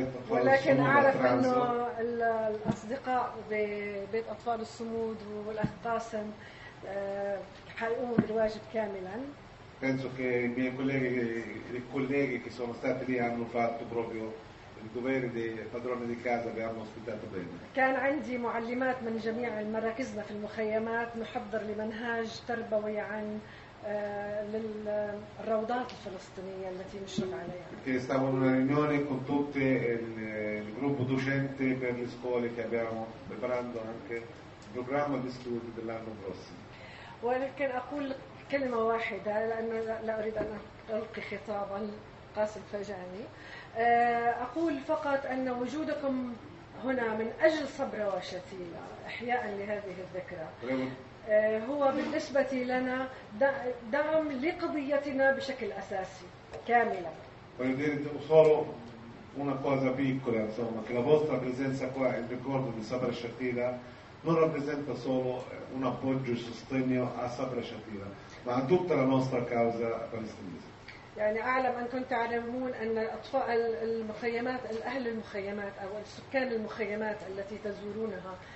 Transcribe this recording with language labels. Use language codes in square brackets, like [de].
[ar] ولكن أعرف أنه الأصدقاء ببيت أطفال الصمود والأخ قاسم حيقوموا بالواجب كاملاً. [it] Penso che i miei colleghi, che sono stati lì hanno fatto proprio il dovere dei padroni di casa che hanno ospitato bene. [ar] كان عندي معلمات من جميع المراكزنا في المخيمات نحضر لمنهاج تربوي عن للروضات الفلسطينية التي نشرف عليها. [it] Che stavo in una riunione con tutte il gruppo docente per le scuole che abbiamo preparando anche il programma di studi dell'anno prossimo. [ar] ولكن أقول كلمة واحدة لأن لا أريد أن ألقي خطابا قاسم فاجأني. أقول فقط أن وجودكم هنا من أجل صبرة وشتيلة إحياء لهذه الذكرى. هو بالنسبة لنا دعم لقضيتنا بشكل أساسي كاملا. [it] Voglio dire solo una cosa piccola, insomma, che la vostra presenza qua, il ricordo di Sabra Shatila, non rappresenta solo un appoggio e sostegno a Sabra Shatila, ma a tutta la nostra causa palestinese. [ar] يعني أعلم أنكم تعلمون أن أطفال المخيمات، الأهل المخيمات أو السكان المخيمات التي تزورونها.